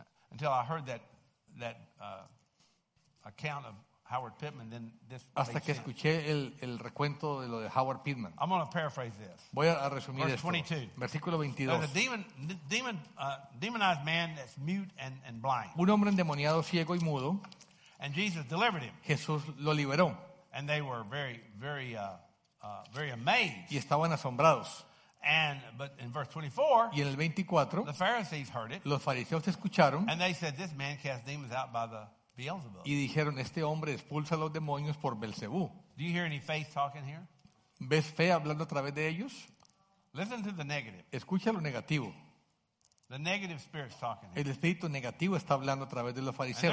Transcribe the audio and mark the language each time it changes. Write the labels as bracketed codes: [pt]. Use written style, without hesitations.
[en] Until I heard that account of Howard Pittman, then this. [es] Hasta que escuché el recuento de lo de Howard Pittman. [en] I'm going to paraphrase this. [es] Voy a resumir [en] verse 22. [es] Esto. Versículo 22. [en] There's a demonized man that's mute and blind. [es] Un hombre endemoniado, ciego y mudo. [en] And Jesus delivered him. [es] Jesús lo liberó. [en] And they were very, very, very amazed. [es] Y estaban asombrados. [en] But in verse 24, [es] y en el 24, [en] the Pharisees heard it. [es] Los fariseos escucharon. [en] And they said, "This man casts demons out by the Beelzebub." [es] Y dijeron, este hombre expulsa los demonios por Belcebú. [en] Do you hear any faith talking here? [es] ¿Ves fe hablando a través de ellos? [en] Listen to the negative. [es] Escucha lo negativo. [en] The negative spirit's talking. [es] El espíritu negativo está hablando a través de los fariseos.